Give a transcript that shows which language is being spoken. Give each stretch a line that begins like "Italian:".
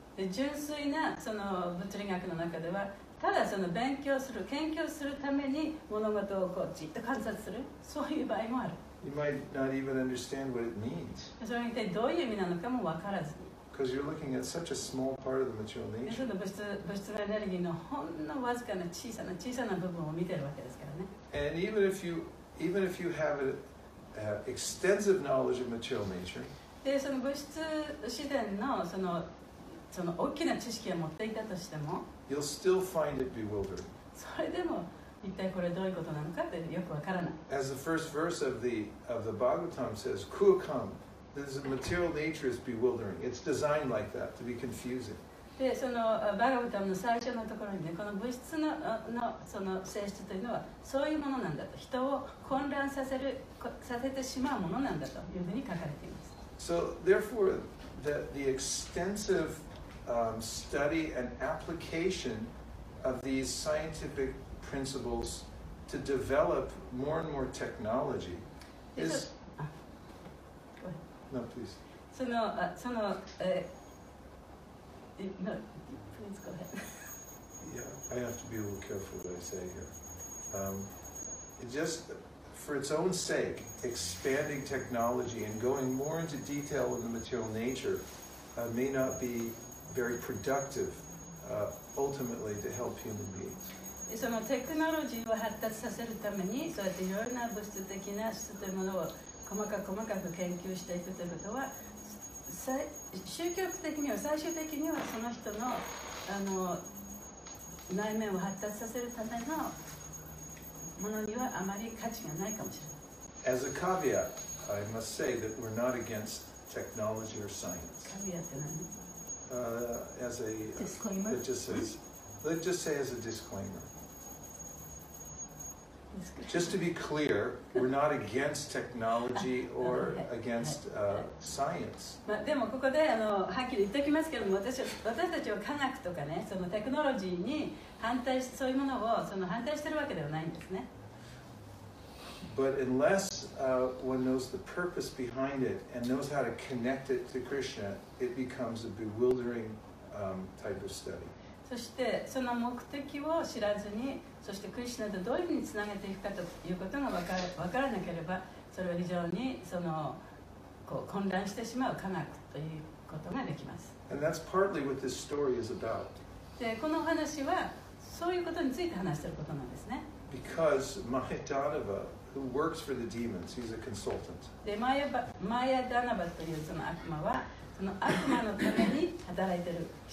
Japanese: 純粋なその物理学の中ではただその勉強する研究するために物事をこうじっと観察するそういう場合もある。
English: You might not even understand what it means.
Japanese: それが一体どういう意味なのかも分からずに。
English: Because you're looking at such a small part of the material nature.
Japanese: その物質のエネルギーのほんのわずかな小さな小さな部分を見てるわけですからね。
English: And even if you have extensive knowledge of material nature,
Japanese: でその物質自然のその大きな知識を持っていたとしても、
English: you'll still find it bewildering.
Japanese: それでも一体これどういうことなのかってよくわからない。
English: As the first verse of the Bhagavatam says, Kukam. This material nature is bewildering. It's designed like that to be confusing.
Japanese: で、そのバガヴァタムの最初のところにね、この物質のその性質というのはそういうものなんだと、人を混乱させてしまうものなんだというふうに書かれています。
English: So therefore, the extensive study and application of these scientific principles to develop more and more technology is No, please. No, please go ahead. Yeah, I have to be a little careful what I say here. Just for its own sake, expanding technology and going more into detail in the material nature may not be very productive, ultimately, to help human beings.
Japanese: そのテクノロジーを発達させるために、そうやっていろいろな物質的な質というものを細かく細かく研究していくということは、宗教的には最終的にはその人の、内面を発達させるためのものにはあまり価値がないかもしれない。
English: As a caveat, I must say that we're not against technology or science.
Japanese: Caveat って何？
English: As a disclaimer. Let's just say as a disclaimer. Just to be clear, we're not against technology or against science.
Japanese: まあでもここであのはっきり言っておきますけども、私たちは科学とかね、そのテクノロジーに反対し、そういうものをその反対してるわけではないんですね。
English: But unless one knows the purpose behind it and knows how to connect it to Krishna, it becomes a bewildering type of study.
Japanese: そしてその目的を知らずに、そしてクリシュナとどういうふうにつなげていくかということが分からなければ、それは非常にそのこう混乱してしまう科学ということができます。
English: And that's partly what this story is about.
Japanese: で、この話はそういうことについて話していることなんですね。
English: Because Mahadhanava, who works for the demons, he's a consultant.
Japanese: で、マヤダナバというその悪魔は、その悪魔のために働いている。